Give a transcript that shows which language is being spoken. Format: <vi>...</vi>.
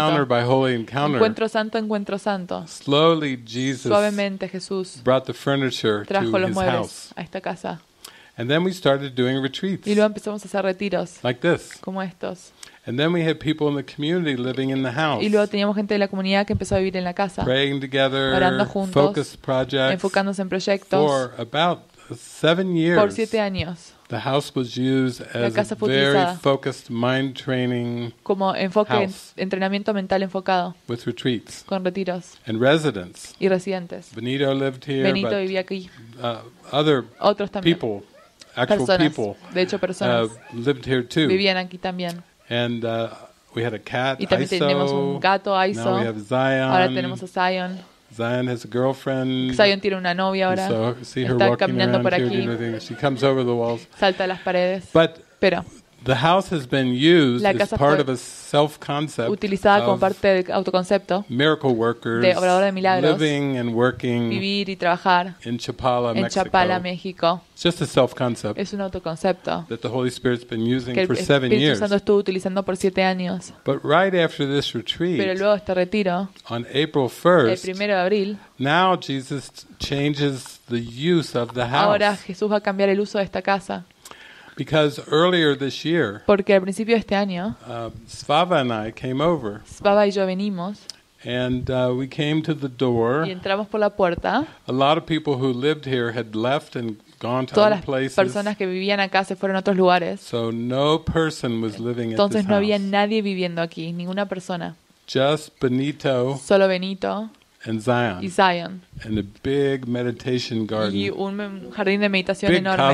<en>Encounter by holy encounter.</en> <es>Encuentro santo,</es> <en>slowly Jesus</en> <es>suavemente, Jesús</es> <en>brought the furniture</en> <es>trajo</es> <en>to</en> <es>los</es> <en>his</en> <es>muebles</es> <en>house.</en> <es>A esta casa.</es> <en>And then we started doing retreats.</en> <es>Y luego empezamos a hacer retiros.</es> <en>Like this.</en> <es>Como estos.</es> <en>And then we had people in the community living in the house.</en> <es>Y luego teníamos gente de la comunidad que empezó a vivir en la casa.</es> <en>Praying together,</en> <es>orando juntos,</es> <en>focused projects,</en> <es>enfocándose en proyectos.</es> <en>For about 7 years.</en> <es>Por 7 años.</es> <en>The house was used as a very focused mind training</en> <es>como enfoque</es> <en>house</en> <es>entrenamiento mental enfocado</es> <en>with retreats</en> <es>con retiros</es> <en>and residents</en> <es>y residentes.</es> <en>Benito lived here,</en> <es>Benito</es> <en>but</en> <es>vivía aquí.</es> <en>Other</en> <es>otros también</es> <en>people, actual</en> <es>personas,</es> <en>people,</en> <es>de hecho personas</es> <en>lived here too.</en> <es>Vivían aquí también.</es> <en>And we had a cat,</en> <es>y también</es> <en>ISO.</en> <es>Tenemos un gato, ISO.</es> <en>Now we have Zion.</en> <es>Ahora tenemos a Zion.</es> <en>Zion has a girlfriend.</en> <es>Zion tiene una novia ahora.</es> <en>So, see her</en> <es>está</es> <en>walking</en> <es>caminando</es> <en>around</en> <es>por aquí.</es> <en>Here, doing she comes over the walls.</en> <es>Salta las paredes.</es> <en>But</en> <es>pero</es> <en>the house has been used as part of a self-concept.</en> <es>Utilizada como parte del autoconcepto.</es> <en>Miracle workers.</en> <es>De obrador de milagros.</es> <en>Living and working.</en> <es>Vivir y trabajar.</es> <en>In Chapala,</en> <es>en Chapala, México.</es> <en>It's just a self-concept.</en> <es>Es un autoconcepto.</es> <en>That the Holy Spirit's been using for 7 years.</en> <es>Que el Espíritu Santo estuvo utilizando por 7 años.</es> <en>But right after this retreat.</en> <es>Pero luego este retiro.</es> <en>On April 1st.</en> <es>El 1 de abril.</es> <en>Now Jesus changes the use of the house.</en> <es>Ahora Jesús va a cambiar el uso de esta casa.</es> <en>Because earlier this year,</en> <es>porque al principio de este año,</es> <en>Svava and I came over.</en> <es>Svava y yo venimos.</es> <en>And we came to the door.</en> <es>Y entramos por la puerta.</es> <en>A lot of people who lived here had left and gone to other places.</en> <es>Todas las personas que vivían acá se fueron a otros lugares.</es> <en>So no person was living</en> <es>entonces,</es> <en>at this</en> <es>Entonces no había nadie viviendo aquí, ninguna persona.</es> <en>Just Benito.</en> <es>Solo Benito.</es> <en>And Zion.</en> <es>Y Zion.</es> <en>And a big meditation garden.</en> <es>Y un jardín de meditación</es> <en>big</en> <es>enorme.</es>